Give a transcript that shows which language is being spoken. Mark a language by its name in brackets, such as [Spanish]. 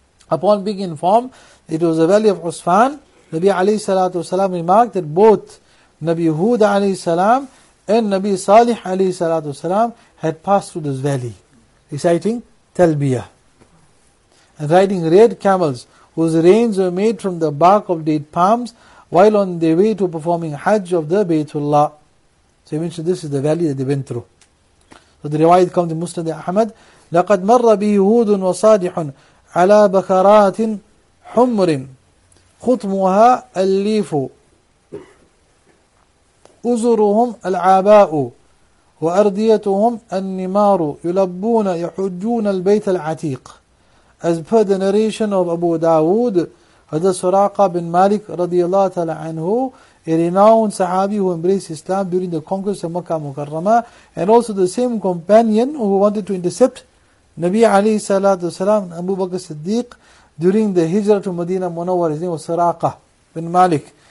[English] Upon being informed, it was the valley of Usfan, Nabi alayhi salatu wasalam remarked that both Nabi Hud alayhi salam and Nabi Salih alayhi salatu wasalam had passed through this valley, reciting Talbiyah, and riding red camels whose reins were made from the bark of date palms while on their way to performing Hajj of the Baytullah. So he mentioned this is the valley that they went through. So the riwayat comes in Musnad Ahmad, [Arabic] لَقَدْ مَرَّ بِهِ هُودٌ وَصَادِحٌ عَلَى بَكَرَاتٍ حُمْرٍ خُطْمُهَا أَلِّيفُ أُزُرُهُمْ الْعَابَاءُ وَأَرْدِيَتُهُمْ النِّمَارُ يُلَبُّونَ يَحُجُّونَ الْبَيْتَ الْعَتِيقِ. [English] As per the narration of Abu Dawood, Hadith Suraqa bin Malik radiallahu ta'ala anhu, a renowned Sahabi who embraced Islam during the conquest of Makkah Mukarramah, and also the same companion who wanted to intercept Nabi alayhi salatu wasalam and Abu Bakr Siddiq during the hijrah to Medina Munawwar, his name was Suraqa bin Malik.